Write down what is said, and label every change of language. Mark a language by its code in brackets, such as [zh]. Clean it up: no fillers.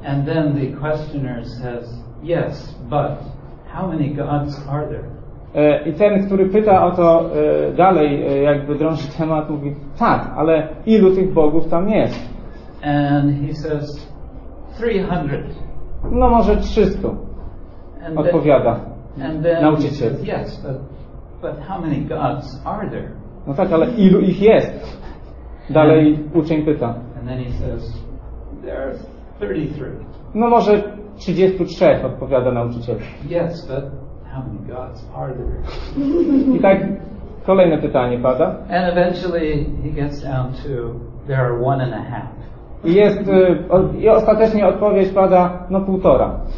[en] And then the questioner says, yes, but how many gods are there? [pl] I ten, który pyta o to dalej, jakby drąży temat, mówi, tak, ale ilu tych bogów tam jest? [en] And he says, 300. [pl] No może 300, [en] and [pl] odpowiada [en] then, [pl] nauczyciel. [en] Says, yes, but how many gods are there? [pl] No tak, ale ilu ich jest? Dalej uczeń pyta. [en] And then he says, there are 33. [pl] No może 33, odpowiada nauczyciel. [en] Yes, but how many gods are there? [pl] I tak kolejne pytanie pada. [en] And eventually he gets down to there are 1.5. [pl] Jest, i ostatecznie odpowiedź pada, no 1.5.